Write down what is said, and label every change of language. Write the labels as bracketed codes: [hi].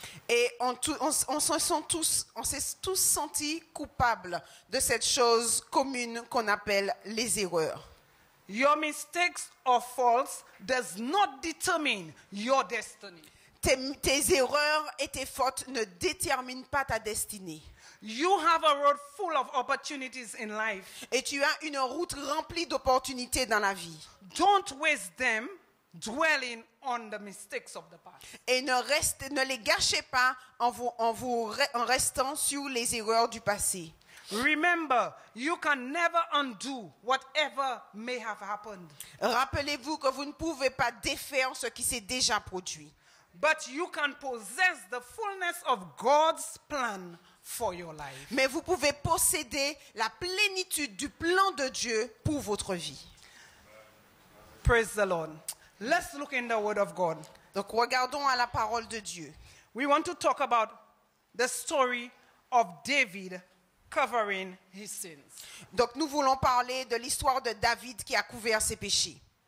[fr] Et on s'est tous sentis coupables de cette chose commune qu'on appelle les erreurs. [en] Your mistakes or faults does not determine your destiny. [fr] Tes erreurs et tes fautes ne déterminent pas ta destinée. [en] You have a road full of opportunities in life. [fr] Et tu as une route remplie d'opportunités dans la vie. [en] Don't waste them dwelling on the mistakes of the past. [fr] Et ne les gâchez pas en restant sur les erreurs du passé. [en] Remember, you can never undo whatever may have happened. [fr] Rappelez-vous que vous ne pouvez pas défaire ce qui s'est déjà produit. [en] But you can possess the fullness of God's plan for your life. [fr] Mais vous pouvez posséder la plénitude du plan de Dieu pour votre vie. [en] Praise the Lord. Let's look in the Word of God. [fr] Donc regardons à la parole de Dieu. [en] We want to talk about the story of David covering his sins. [fr] Donc nous voulons parler de l'histoire de David qui a couvert ses péchés.